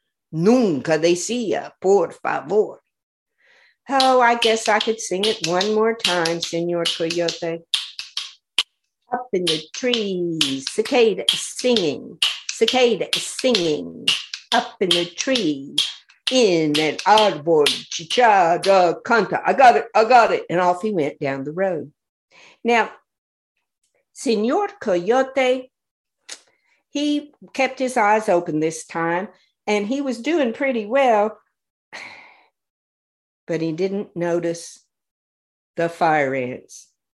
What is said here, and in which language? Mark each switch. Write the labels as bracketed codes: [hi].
[es] Nunca decía, por favor. [en] Oh, I guess I could sing it one more time, Señor Coyote. Up in the trees, cicada is singing, cicada is singing. Up in the tree, [es] in el árbol, chicharra canta. [en] I got it. And off he went down the road. Now, Señor Coyote, he kept his eyes open this time, and he was doing pretty well, but he didn't notice the fire ants.